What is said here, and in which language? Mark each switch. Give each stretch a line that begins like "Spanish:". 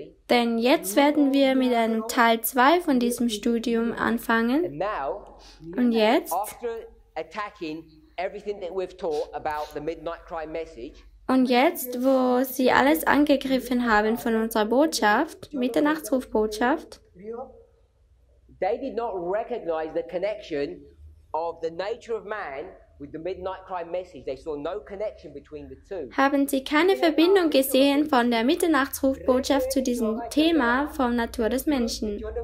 German: Denn jetzt werden wir mit einem Teil 2 von diesem Studium anfangen. Und jetzt, wo sie alles angegriffen haben von unserer Botschaft, Mitternachtsrufbotschaft,
English: they did not recognize the connection of the nature of man with the midnight cry message. They saw no connection between the two.
German: Haben sie keine Verbindung gesehen von der Mitternachtsrufbotschaft zu diesem Thema vom Natur des Menschen?